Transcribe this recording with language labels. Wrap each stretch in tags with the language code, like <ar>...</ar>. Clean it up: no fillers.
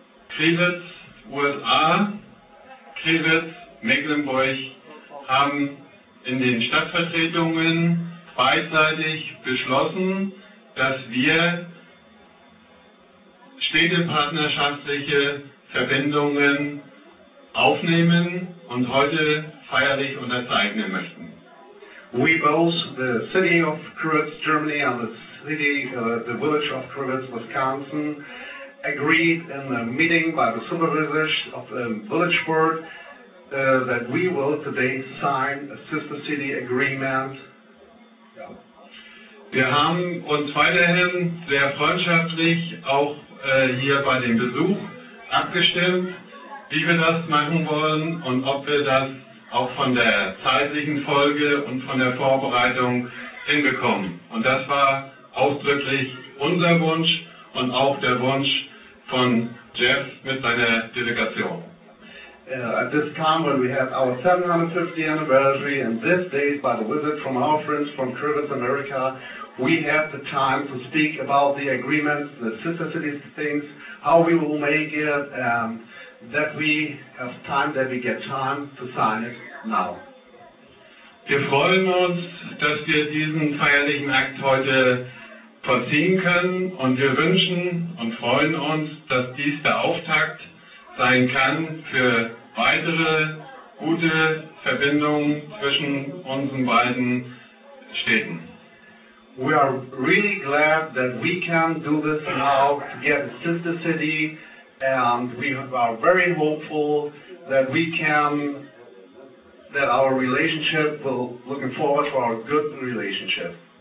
<de>Krewitz, USA, Krewitz, Mecklenburg haben in den Stadtvertretungen beidseitig beschlossen, dass wir städtepartnerschaftliche Verbindungen aufnehmen und heute feierlich unterzeichnen möchten.</de> <en>We both, the city of Krewitz, Germany, and the city, the village of Krewitz, Wisconsin, agreed in a meeting by the supervisors of the village board that we will today sign a sister city agreement.</en> <de>Wir haben uns weiterhin sehr freundschaftlich auch hier bei dem Besuch abgestimmt, wie wir das machen wollen und ob wir das auch von der zeitlichen Folge und von der Vorbereitung hinbekommen. Und das war ausdrücklich unser Wunsch und auch der Wunsch von Jeff mit seiner Delegation.</de> <en>At this time, when we had our 750th anniversary, and this day, by the visit from our friends from Krewitz, America, we had the time to speak about the agreements, the sister cities things, how we will make it, and that we have time, that we get time to sign it now.</en> <de>Wir freuen uns, dass wir diesen feierlichen Akt heute vollziehen können, und wir wünschen und freuen uns, dass dies der Auftakt sein kann für weitere gute Verbindungen zwischen unseren beiden Städten.</de> <en>We are really glad that we can do this now to get a sister city, and we are very hopeful that we can, that our relationship will, looking forward to our good relationship.</en>